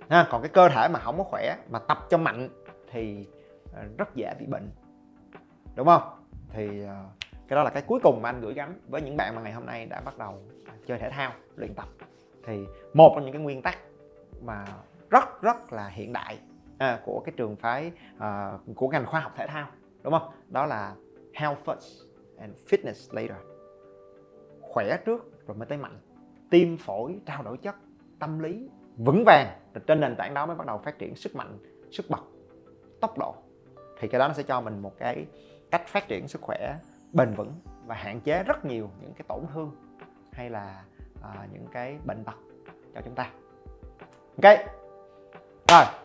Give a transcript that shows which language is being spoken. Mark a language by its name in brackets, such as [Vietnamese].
[Vietnamese] Còn cái cơ thể mà không có khỏe mà tập cho mạnh thì rất dễ bị bệnh, đúng không? Thì cái đó là cái cuối cùng mà anh gửi gắm với những bạn mà ngày hôm nay đã bắt đầu chơi thể thao, luyện tập. Thì một trong những cái nguyên tắc mà rất rất là hiện đại của cái trường phái, của ngành khoa học thể thao, đúng không? Đó là [English] health first and fitness later. [Vietnamese] Khỏe trước rồi mới tới mạnh. Tim, phổi, trao đổi chất, tâm lý vững vàng, trên nền tảng đó mới bắt đầu phát triển sức mạnh, sức bật, tốc độ. Thì cái đó nó sẽ cho mình một cái cách phát triển sức khỏe bền vững và hạn chế rất nhiều những cái tổn thương hay là những cái bệnh tật cho chúng ta. Ok. Rồi.